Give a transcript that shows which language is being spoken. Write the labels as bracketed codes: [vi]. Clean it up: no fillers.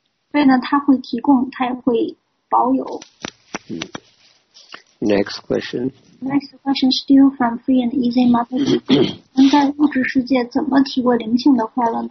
[zh] 所以呢，他会提供，他也会保有。 [en] Next question. Next question, still from Free and Easy Mother. [zh] 能在物质世界怎么体会灵性的快乐呢？